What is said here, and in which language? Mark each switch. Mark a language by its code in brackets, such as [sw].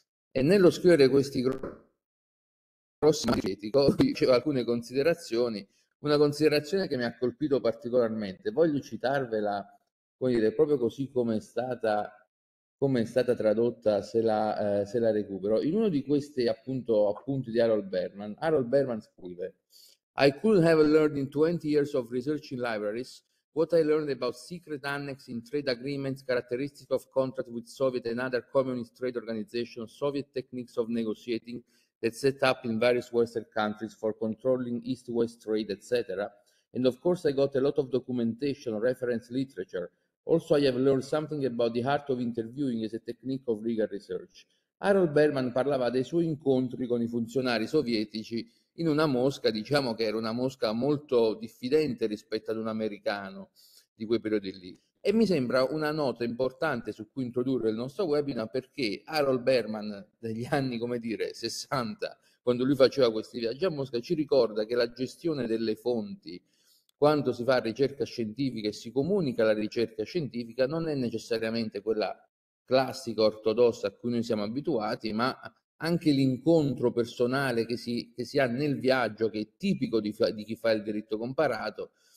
[it] E nello scrivere questi grossi critico, diceva alcune considerazioni. Una considerazione che mi ha colpito particolarmente, voglio citarvela, come dire, proprio così come è stata tradotta, se la recupero. In uno di questi appunti di Harold Berman scrive: [en] I could have learned in 20 years of research in libraries what I learned about secret annex in trade agreements, characteristics of contract with Soviet and other communist trade organizations, Soviet techniques of negotiating. That set up in various Western countries for controlling East-West trade, etc. And of course, I got a lot of documentation, reference literature. Also, I have learned something about the art of interviewing as a technique of legal research. [it] Harold Berman parlava dei suoi incontri con i funzionari sovietici in una mosca, diciamo che era una mosca molto diffidente rispetto ad un americano di quei periodi lì. E mi sembra una nota importante su cui introdurre il nostro webinar perché Harold Berman, degli anni, come dire, 60, quando lui faceva questi viaggi a Mosca, ci ricorda che la gestione delle fonti, quando si fa ricerca scientifica e si comunica la ricerca scientifica, non è necessariamente quella classica, ortodossa a cui noi siamo abituati, ma anche l'incontro personale che si ha nel viaggio, che è tipico di chi fa il diritto comparato.